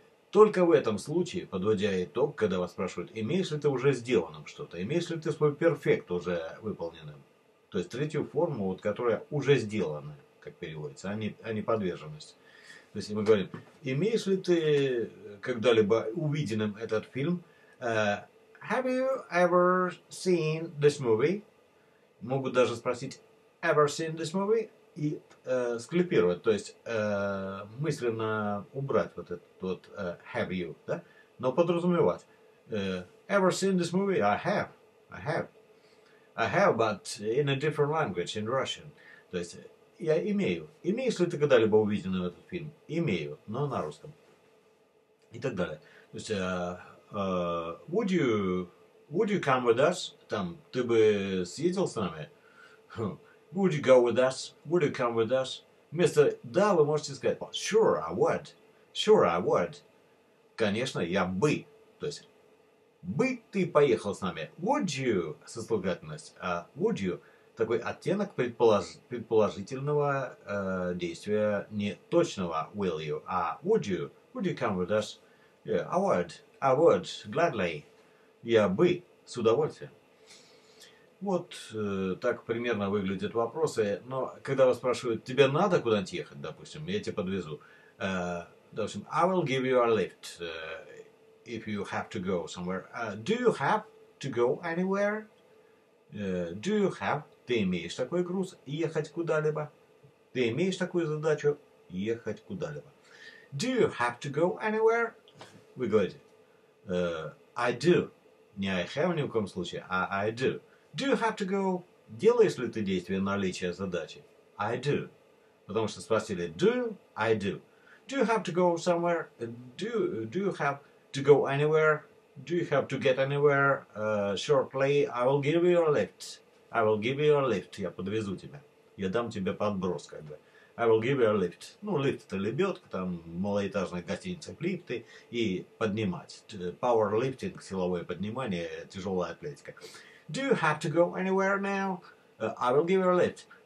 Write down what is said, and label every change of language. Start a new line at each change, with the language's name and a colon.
Russian: Только в этом случае, подводя итог, когда вас спрашивают, имеешь ли ты уже сделанным что-то? Имеешь ли ты свой перфект уже выполненным? То есть третью форму, вот, которая уже сделана, как переводится, а не подверженность. То есть мы говорим, имеешь ли ты когда-либо увиденным этот фильм?
English: Have you ever seen this movie?
Russian: Могут даже спросить,
English: ever seen this movie?
Russian: И склипировать, то есть мысленно убрать вот этот вот
English: have you,
Russian: да? Но подразумевать.
English: Ever seen this movie? I have, but in a different language, in Russian.
Russian: То есть... Я имею. Имеешь ли ты когда-либо увиден этот фильм? Имею, но на русском. И так далее. То есть,
English: would you come with us?
Russian: Там, ты бы съездил с нами?
English: Would you go with us? Would you come with us?
Russian: Вместо «да» вы можете сказать
English: oh, «sure, I would». «Sure, I would».
Russian: Конечно, я бы. То есть, бы ты поехал с нами.
English: Would you?
Russian: Сослагательность. А
English: would you?
Russian: Такой оттенок предположительного действия не точного
English: will you,
Russian: а
English: would you. Would you come with us? Yeah, I would, gladly.
Russian: Я бы, с удовольствием. Вот так примерно выглядят вопросы. Но когда вас спрашивают, тебе надо куда-нибудь ехать, допустим, я тебя подвезу. Допустим,
English: I will give you a lift if you have to go somewhere. Do you have to go anywhere? Do you have?
Russian: Ты имеешь такой груз ехать куда-либо? Ты имеешь такую задачу ехать куда-либо?
English: Do you have to go anywhere?
Russian: Вы говорите,
English: I do.
Russian: Не
English: I have
Russian: ни в коем случае, а I do.
English: Do you have to go?
Russian: Делаешь ли ты действие наличия задачи?
English: I do.
Russian: Потому что спросили,
English: do I do? Do you have to go somewhere? Do you have to go anywhere? Do you have to get anywhere shortly? I will give you a lift. I will give you a lift.
Russian: Я подвезу тебя. Я дам тебе подброс, как бы.
English: I will give you a lift.
Russian: Ну, лифт это лебедка, там малоэтажные гостиницы, лифты и поднимать. Power lifting, силовое поднимание, тяжелая атлетика.
English: Do you have to go anywhere now? I will give you a lift.